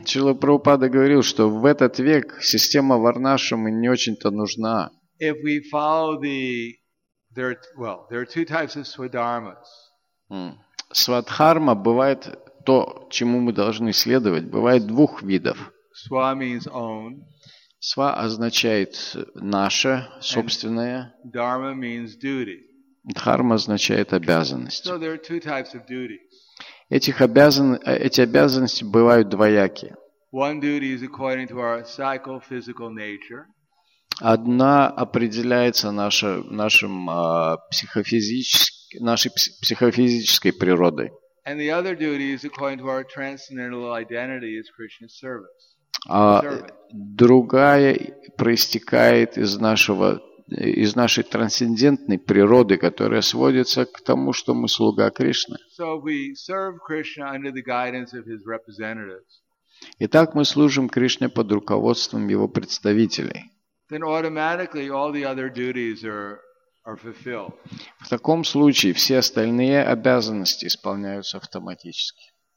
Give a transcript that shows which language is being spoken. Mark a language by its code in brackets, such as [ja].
[ru] Шрила Прабхупада говорил, что в этот век система Варнашрама не очень-то нужна. [en] If we follow there are two types of Swadharmas. [ru] Свадхарма бывает. То, чему мы должны следовать, бывает двух видов. [en] Sva means own. [ru] Sva означает наше, собственное. [en] And dharma means duty. [ru] Дхарма означает обязанность. [en] So there are two types of duties. [ru] Эти обязанности бывают двоякие. [en] One duty is according to our psycho-physical nature. [ru] Одна определяется нашей психофизической природой. [en] And the other duty is according to our transcendental identity as Krishna's service. [ru] Другая проистекает из нашей трансцендентной природы, которая сводится к тому, что мы слуга Кришны. [en] So we serve Krishna under the guidance of his representatives. [ru] Итак, мы служим Кришне под руководством его представителей. [en] Then automatically all the other duties are fulfilled. [ru] В таком случае все остальные обязанности исполняются автоматически.